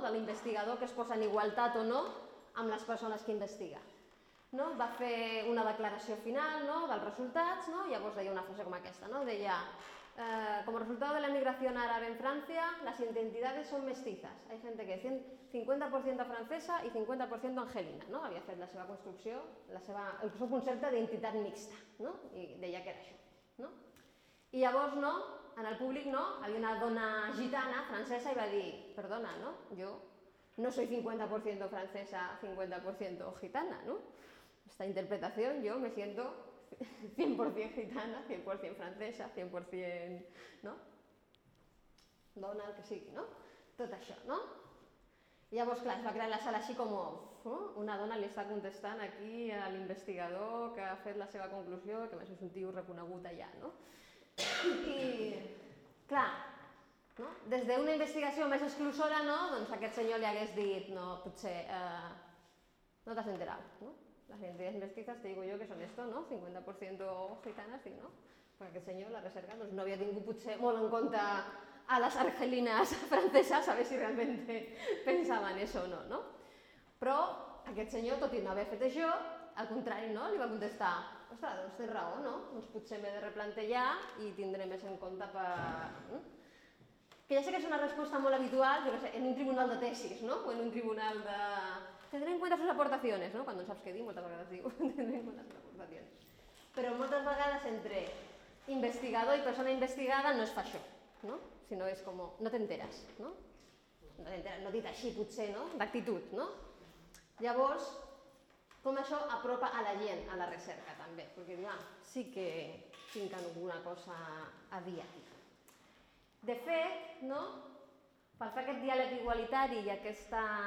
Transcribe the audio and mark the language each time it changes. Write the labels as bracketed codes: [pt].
[ca] De l'investigador que es posa en igualtat o no amb les persones que investiga. No? Va fer una declaració final, no? Dels resultats, no? Llavors deia una frase com aquesta, no? [es] Deia, como resultado de la emigración árabe en Francia, las identidades son mestizas. Hay gente que es 50% francesa y 50% angelina, no? [ca] Havia fet la seva construcció, el seu concepte d'identitat mixta, no? I deia que era això, no? I llavors, no? En el públic, no? Havia una dona gitana francesa i va dir, perdona, no? [es] Jo no soy 50% francesa, 50% gitana, no? Esta interpretación, yo me siento 100% gitana, 100% francesa, 100%, no? [ca] Dona, el que sigui, no? Tot això, no? I llavors, clar, es va crear la sala així com, una dona li està contestant aquí a l'investigador que ha fet la seva conclusió, que a més és un tio reconegut allà, no? I, clar, no? Des d'una investigació més exclusora, no? Doncs aquest senyor li hagués dit, no, potser, no t'has enterat, no? [es] Las identidades mestizas, te digo yo que son esto, ¿no? 50% gitanas, ¿no? Porque el señor, la recerca, pues, no había [ca] tingut potser molt en compte [es] a las argelinas francesas, a ver si realmente pensaban eso o no, ¿no? [ca] Però aquest senyor, tot i no haver fet això, al contrari, no? Li va contestar, ostres, doncs té raó, no? Doncs potser m'he de replantejar i tindré més en compte per... Que ja sé que és una resposta molt habitual, jo no sé, en un tribunal de tesis, no? O en un tribunal de... [es] Tendré en cuenta sus aportaciones, ¿no? Cuando no sabes qué di, muchas vegades digo, tendré en cuenta sus aportaciones. Pero muchas vegades entre investigador y persona investigada [ca] no es fa això, [es] ¿no? Sino es como, no te enteras, ¿no? No te enteras, no dit així, potser, ¿no? D'actitud, ¿no? [ca] Llavors, com això apropa a la gent, a la recerca, també? Perquè, ja, sí que tinc alguna cosa a dir aquí. De fet, no? Per fer aquest diàleg igualitari i aquesta...